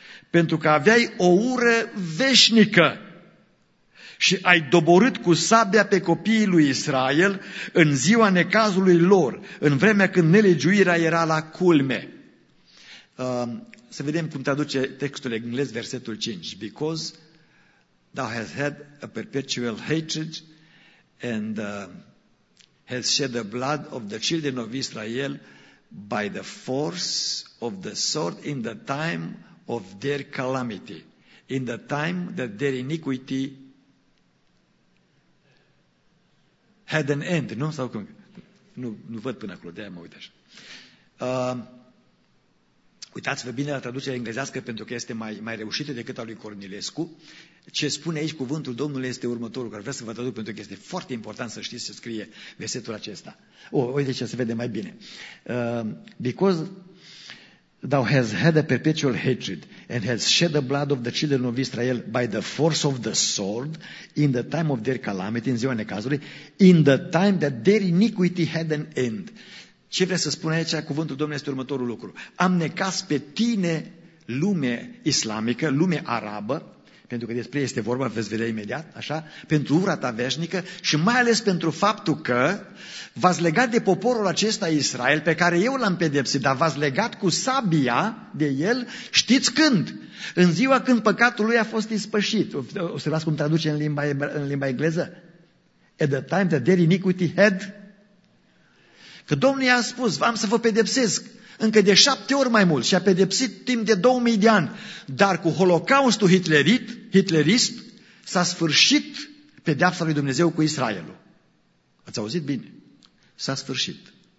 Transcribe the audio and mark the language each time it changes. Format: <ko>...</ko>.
<ro>Pentru că aveai o ură veșnică și ai doborât cu sabia pe copiii lui Israel în ziua necazului lor, în vremea când nelegiuirea era la culme. Să vedem cum traduce textul englez, versetul 5.</ro> <en>Because thou hast had a perpetual hatred and hast shed the blood of the children of Israel by the force of the sword in the time of their calamity, in the time that their iniquity had an end,</en> <ro>nu? Sau cum? Nu văd până acolo, de-aia mă uit așa. Uitați-vă bine la traducerea englezească, pentru că este mai reușită decât a lui Cornilescu. Ce spune aici cuvântul Domnului este următorul, care vreau să vă traduc, pentru că este foarte important să știți să scrie versetul acesta. Uite ce se vede mai bine.</ro> <en>Because thou hast had a perpetual hatred and hast shed the blood of the children of Israel by the force of the sword in the time of their calamity,</en> <ro>în ziua necazului,</ro> <en>in the time that their iniquity had an end.</en> <ro>Ce vrea să spună aici cuvântul Domnului este următorul lucru. Am necas pe tine lume islamică, lume arabă, pentru că despre ei este vorba, veți vedea imediat, așa, pentru ura ta veșnică și mai ales pentru faptul că v-ați legat de poporul acesta Israel, pe care eu l-am pedepsit, dar v-ați legat cu sabia de el, știți când? În ziua când păcatul lui a fost ispășit. O să las cum traduce în limba engleză.</ro> <en>At the time that their iniquity had.</en> <ro>Că Domnul i-a spus, v-am să vă pedepsesc. Încă de 7 ori mai mult și a pedepsit timp de 2000 de ani. Dar cu holocaustul hitlerist s-a sfârșit pedeapsa lui Dumnezeu cu Israelul. Ați auzit bine? S-a sfârșit.</ro>